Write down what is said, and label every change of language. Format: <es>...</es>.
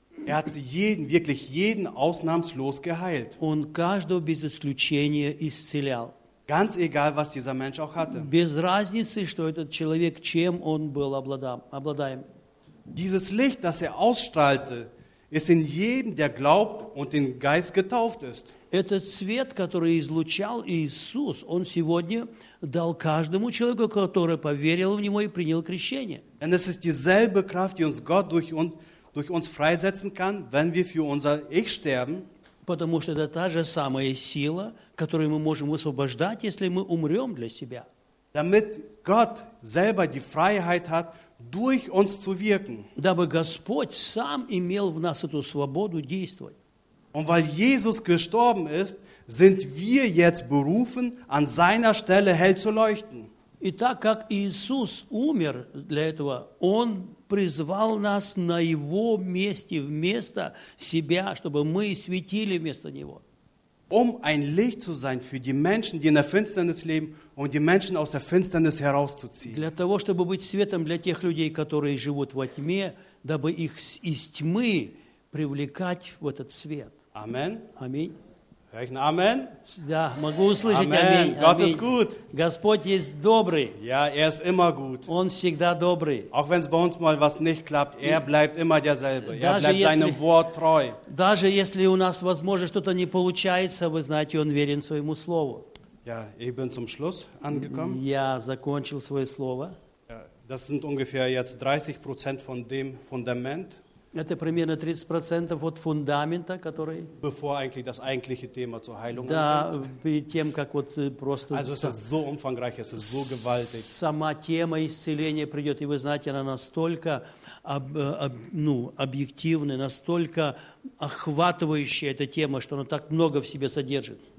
<de>Er hat jeden, wirklich jeden ausnahmslos geheilt.</de> <ru>Он каждого без исключения исцелял.</ru> <de>Ganz egal, was dieser Mensch auch hatte.</de> <ru>Без разницы, что этот человек, чем он был обладаем.</ru> <de>Dieses Licht, das er ausstrahlte, ist in jedem, der glaubt und den Geist getauft ist.</de> <ru>Этот свет, который излучал Иисус, он сегодня дал каждому человеку, который поверил в него и принял крещение.</ru> <de>Denn es ist dieselbe Kraft, die uns Gott durch uns freisetzen kann, wenn wir für unser Ich sterben.</de> <ru>Потому что это та же самая сила, которую мы можем высвобождать, если мы умрем для себя.</ru> <de>Damit Gott selber die Freiheit hat, durch uns zu wirken.</de> <ru>Дабы Господь сам имел в нас эту свободу действовать.</ru> <de>Und weil Jesus gestorben ist, sind wir jetzt berufen, an seiner Stelle hell zu leuchten.</de> <ru>И так как Иисус умер для этого, Он призвал нас на Его месте, вместо себя, чтобы мы светили вместо Него.</ru> <de>Um ein Licht zu sein für die Menschen, die in der Finsternis leben, und die Menschen aus der Finsternis herauszuziehen.</de> <ru>Для того, чтобы быть светом для тех людей, которые живут во тьме, дабы их из тьмы привлекать в этот свет. Аминь. Аминь.</ru> <de>Amen. Amen. Ja,</de> <ru>могу услышать.</ru> <de>Amen. Gott ist gut.</de> <ru>Господь есть добрый.</ru> <de>Ja, ist immer gut.</de> <ru>Он всегда добрый.</ru> <de>Auch wenn es bei uns mal was nicht klappt, bleibt immer derselbe. Bleibt seinem Wort treu.</de> <ru>Даже если у нас, возможно, что-то не получается, вы знаете, он верен своему слову.</ru> <de>Ja, ich bin zum Schluss angekommen.</de> <ru>Я закончил свое слово.</ru> <de>Das sind ungefähr jetzt 30% von dem Fundament.</de> <ru>Это примерно 30% от фундамента, который...</ru> <de>Bevor eigentlich das eigentliche Thema zur Heilung anfängt.</de> <ru>Тем, как вот просто...</ru> <de>Also es ist so umfangreich, es ist so gewaltig.</de> <ru>Сама тема исцеления придет, и вы знаете, она настолько объективная, настолько охватывающая эта тема, что она так много в себе содержит.</ru>